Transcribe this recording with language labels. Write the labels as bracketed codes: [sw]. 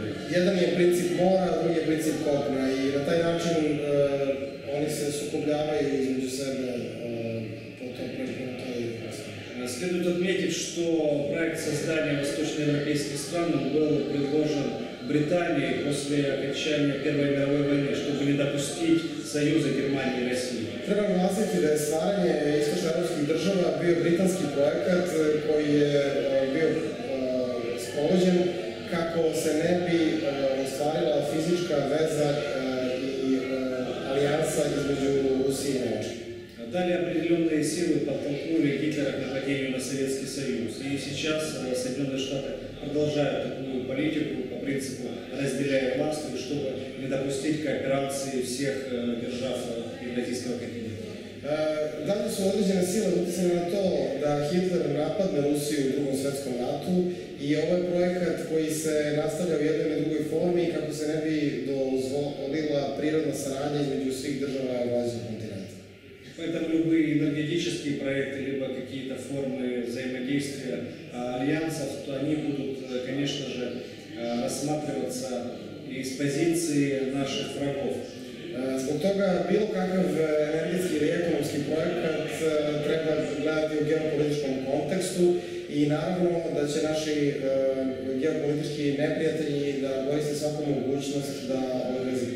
[sr] Jedan je princip mora, drugi je princip kopna i na taj način oni se sukobljavaju između sebe po tom preko toj. [ru] Следует отметить, что проект создания восточноевропейских стран был предложен Британией после окончания Первой мировой войны, чтобы не допустить союза Германии и России. [sr] Треба наглазити да је стварање источноевропских држава био британски проекат који је био спорађен како се не би остварила физичка веза и алијанса између Русије и Немачке. [ru] Дали определенные силы подтолкнули Гитлера к нападению на Советский Союз. И сейчас Соединенные Штаты продолжают такую политику по принципу разделяя власть, чтобы не допустить кооперации всех держав Евразийского континента. [sr] Дали су одређене силы утицали на то да Хитлер нападне Русију у Другом светском рату, i ovaj projekat koji se nastavlja u jednoj ili drugoj formi kako se ne bi dozvolila prirodna saradnja između svih država Evrazijskog kontinenta. [ru] Поэтому любые энергетические проекты, либо какие-то формы взаимодействия альянсов, то они будут, конечно же, рассматриваться из позиции наших врагов. [sr] Zbog toga bilo kakav energetski ili ekonomski projekat treba gledati u geopolitičkom kontekstu i naravno da će naši geopolitički neprijatelji da koriste svaku mogućnost da odrezi